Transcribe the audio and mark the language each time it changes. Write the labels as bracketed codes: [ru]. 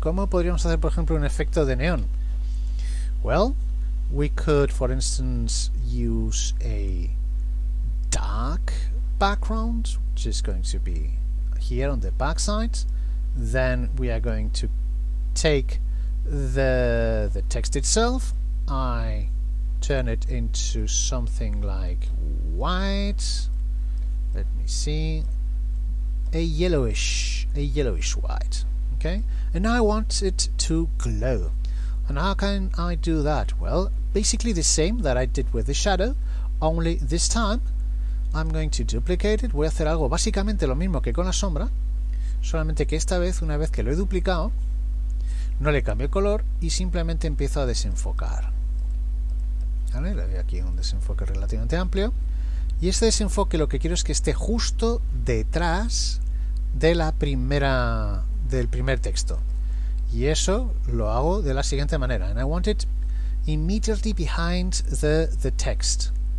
[es] ¿Cómo podríamos hacer, por ejemplo, un efecto de neón? [en] Well, we could, for instance, use a dark background, which is going to be here on the backside. Then we are going to take the text itself. I turn it into something like white. Let me see, a yellowish white, okay? And I want it to glow. And how can I do that? Well, basically the same that I did with the shadow, only this time I'm going to duplicate it. [es] Voy a hacer algo básicamente lo mismo que con la sombra, solamente que esta vez, una vez que lo he duplicado, no le cambio el color y simplemente empiezo a desenfocar. ¿Vale? Le doy aquí un desenfoque relativamente amplio. Y este desenfoque lo que quiero es que esté justo detrás de la primera, del primer texto. Y eso lo hago de la siguiente manera. [en] And I want it immediately behind the text.